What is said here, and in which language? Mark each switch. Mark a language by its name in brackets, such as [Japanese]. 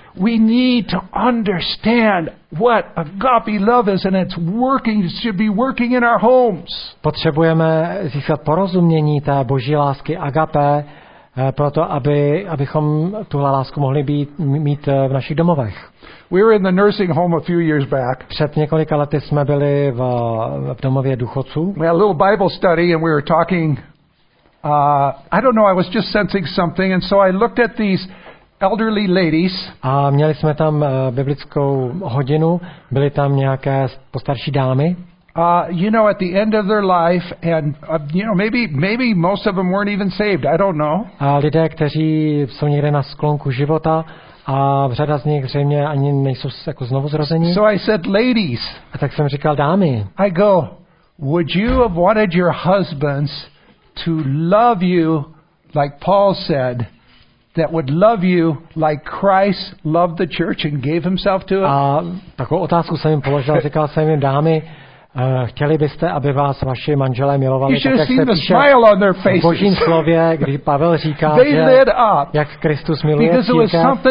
[English] We need to understand what agape love is and it's working, it should be working in our homes. [Czech] Potřebujeme získat porozumění té boží lásky agape, proto abychom tuhle lásku mohli mít v našich domovech. [English] We were in the nursing home a few years back. [Czech] Před několika lety jsme byli v domově důchodců. [English] We had a little Bible study and we were talking. I don't know, I was just sensing something and so I looked at these elderly ladies. [Czech] A měli jsme tam biblickou hodinu, byly tam nějaké postarší dámy. [English] You know, at the end of their life, and you know, maybe most of them weren't even saved. I don't know. [Czech] A lidé, kteří jsou někde na sklonku života, a řada z nich zřejmě ani nejsou jako znovu zrození. [English] So I said, ladies. [Czech] A tak jsem říkal, dámy. [English] I go, would you have wanted your husbands to love you like Paul said? That would love you like Christ loved the church and gave himself to it. [Czech] A takovou otázku jsem jim položil, říkal jsem jim, dámy. Chtěli byste, aby vás vaši manželé milovali tak, jak se píše v Božím slově, kdy Pavel říká, že jak Kristus miluje církev.